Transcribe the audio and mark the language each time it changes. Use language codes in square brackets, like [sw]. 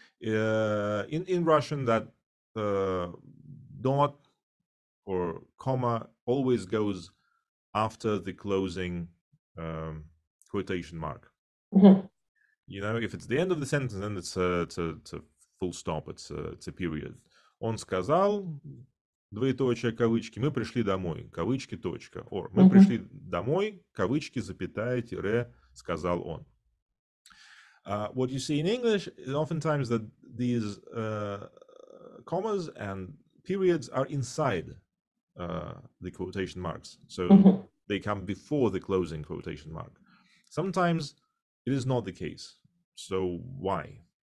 [en] In Russian, that dot or comma always goes after the closing quotation mark. You know, if it's the end of the sentence, then it's a full stop. It's a period. [ru] Он сказал. Двоеточие, кавычки, мы пришли домой, кавычки, точка. [en] Or, [ru] мы пришли домой, кавычки, запятая, тире, сказал он. [en] What you see in English is oftentimes that these commas and periods are inside the quotation marks. So they come before the closing quotation mark. Sometimes it is not the case. So why?